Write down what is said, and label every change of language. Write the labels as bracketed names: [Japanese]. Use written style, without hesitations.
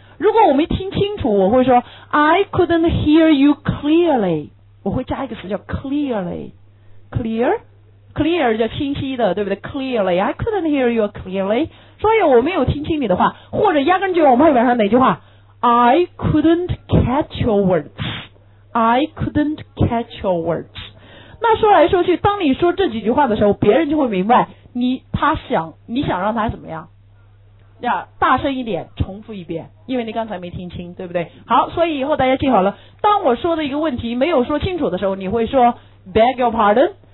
[Chinese] 如果我没听清楚，我会说 [English] I couldn't hear you clearly。 [Chinese] 我会加一个词叫 clearly, clear, clear 叫清晰的，对不对？ [English] clearly, I couldn't hear you clearly。 [Chinese] 所以我没有听清你的话，或者压根就我们会表达哪句话？ [English] I couldn't catch your words, I couldn't catch your words。 [Chinese] 那说来说去，当你说这几句话的时候，别人就会明白你想让他怎么样呀？大声一点，重复一遍，因为你刚才没听清，对不对？好，所以以后大家记好了，当我说的一个问题没有说清楚的时候，你会说 [English] beg your pardon。